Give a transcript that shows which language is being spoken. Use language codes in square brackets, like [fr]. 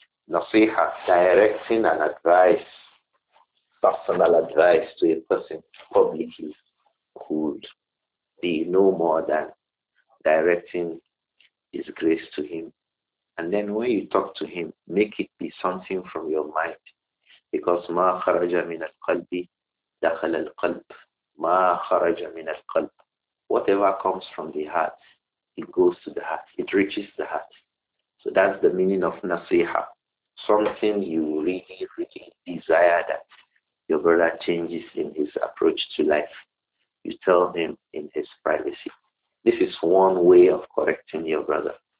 [en] Nasiha, directing an advice, personal advice to a person publicly, could be no more than directing his grace to him. And then when you talk to him, make it be something from your mind. Because [ar] ما خرج من القلب دخل القلب. ما خرج من القلب. [en] Whatever comes from the heart, it goes to the heart. It reaches the heart. So that's the meaning of nasiha. Something you really, really desire that your brother changes in his approach to life. You tell him in his privacy. This is one way of correcting your brother.